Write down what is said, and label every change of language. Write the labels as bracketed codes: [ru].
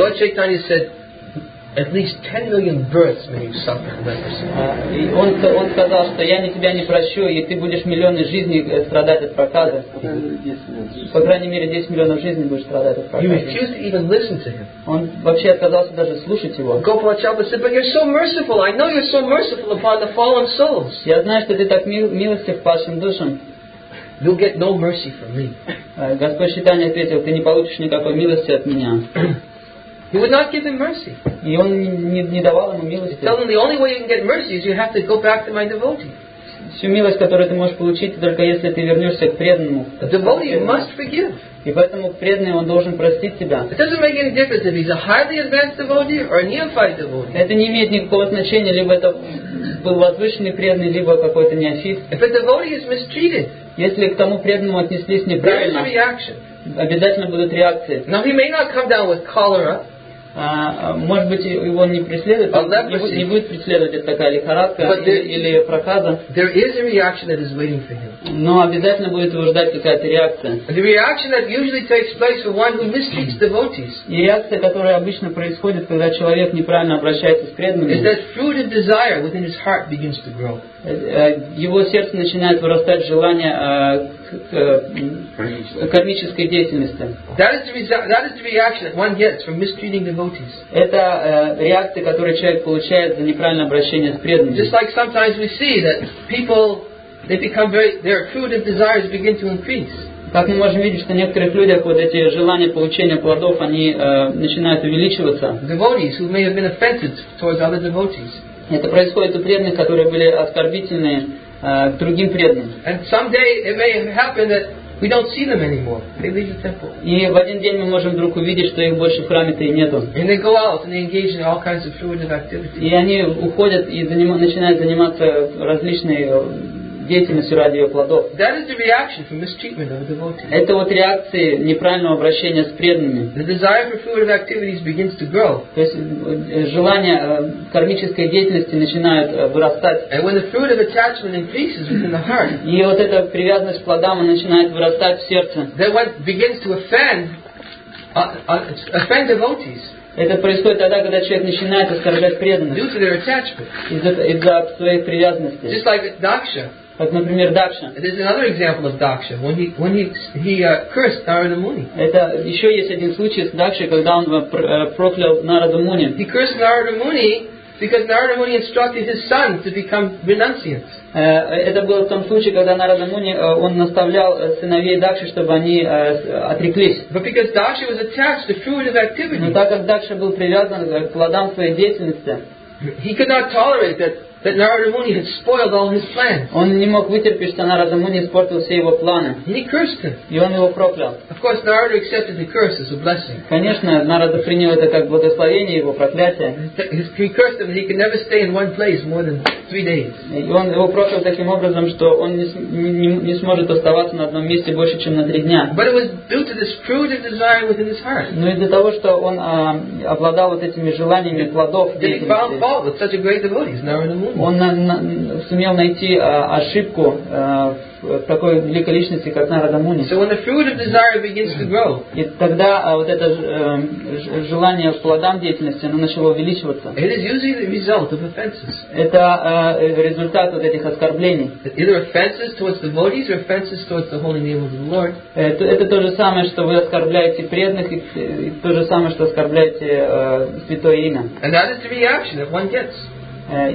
[en] Lord Chaitanya said, at least 10 million births may you suffer from that person. [ru] Он сказал, что я тебя не прощу, и ты будешь миллионы жизней страдать от проказа. По крайней мере, 10 миллионов жизней будешь страдать от проказа. [en] He refused to even listen to him. [ru] Он вообще отказался даже слушать его. [en] Gopala Chapala said, but you're so merciful. I know you're so merciful upon the fallen souls. [ru] Я знаю, что ты так милостив по вашим душам. [en] You'll get no mercy from me. [ru] Господь Шитания ответил, ты не получишь никакой милости от меня. [en] He would not give him mercy. [ru] И он не давал ему милости. [en] Tell him the only way you can get mercy is you have to go back to my devotee. [ru] Всю милость, которую ты можешь получить, только если ты вернешься к преданному. [en] The devotee must forgive. [ru] И поэтому преданный он должен простить тебя. [en] It doesn't make any difference if he's a highly advanced devotee or a neophyte devotee. [ru] Это не имеет никакого значения, либо это был возвышенный преданный, либо какой-то неофит. [en] If a devotee is mistreated, [ru] если к тому преданному отнеслись неправильно, [en] there is a reaction. [ru] Обязательно будут реакции. [en] Now he may not come down with cholera. [ru] Может быть, его не преследует, не будет преследовать такая лихорадка или проказа. [en] There is a reaction that is waiting for him. [ru] Но обязательно будет его ждать какая-то реакция. [en] The reaction that usually takes place for one who mistreats devotees. [ru] И реакция, которая обычно происходит, когда человек неправильно обращается с преданными. [en] Is that fruit of desire within his heart begins to grow? [ru] Его сердце начинает вырастать желание к кармической деятельности. [en] That is the reaction that one gets from mistreating devotees. [ru] Это реакция, которую человек получает за неправильное обращение с преданными. [en] Just like sometimes we see that people they become very their fruit of desires begin to increase. [ru] Как мы можем видеть, что в некоторых людях вот эти желания получения плодов они начинают увеличиваться. [en] Devotees who may have been offended towards other devotees. [ru] Это происходит у преданных, которые были оскорбительны к другим преданным. [en] And someday it may happen that we don't see them anymore. They leave the temple. [ru] И в один день мы можем вдруг увидеть, что их больше в храме-то и нету. [en] And they go out and they engage in all kinds of fruitive activities. [ru] И они уходят и начинают заниматься различной деятельностью ради ее плодов. [en] That is the reaction from mistreatment of a devotee. [ru] Это вот реакции неправильного обращения с преданными. [en] The desire for fruitive activities begins to grow. [ru] То есть желание кармической деятельности начинает вырастать. [en] And when the fruit of attachment increases within the heart. [ru] И вот эта привязанность к плодам начинает вырастать в сердце. [en] Then when it begins to offend devotees. [ru] Это происходит тогда, когда человек начинает оскорблять преданных. [en] Due to their attachment. [ru] Из-за своей привязанности. [en] Just like daksha. [ru] Как, например, Дакша. [en] There's another example of Daksha when he cursed Narada Muni. [ru] Это еще есть один случай с Дакшей, когда он проклял Нараду Муни. [en] He cursed Narada Muni because Narada Muni instructed his son to become renunciants. [ru] Это был в том случае, когда Нарада Муни он наставлял сыновей Дакши, чтобы они отреклись. [en] But because Daksha was attached to fruitive activity. [ru] Но так как Дакша был привязан к плодам своей деятельности, [en] he could not tolerate that. That Narada Muni had spoiled all his plans. [ru] Он не мог вытерпеть, что Нарада Муни испортил все его планы. [en] He cursed him. [ru] И он его проклял. [en] Of course, Narada accepted the curse as a blessing. [ru] Конечно, Нарада принял это как благословение, его проклятие. [en] He cursed him that he could never stay in one place more than 3 days. [ru] И он его проклял таким образом, что он не сможет оставаться на одном месте больше, чем на 3 дня. [en] But it was due to this fruit of desire within his heart. [ru] Но из-за того, что он обладал вот этими желаниями плодов. [en] He found fault with such a great devotee, Narada Muni. [ru] Он сумел найти ошибку в такой великой личности, как Нарада Муни. [en] So when the fruit of desire begins to grow, [ru] и тогда вот это желание плодам деятельности, оно начало увеличиваться. [en] It is usually the result of offenses. [ru] Это результат вот этих оскорблений. [en] Either offenses towards devotees or offenses towards the holy name of the Lord. [ru] Это то же самое, что вы оскорбляете преданных, и то же самое, что оскорбляете святое имя. [en] And that is the reaction that one gets.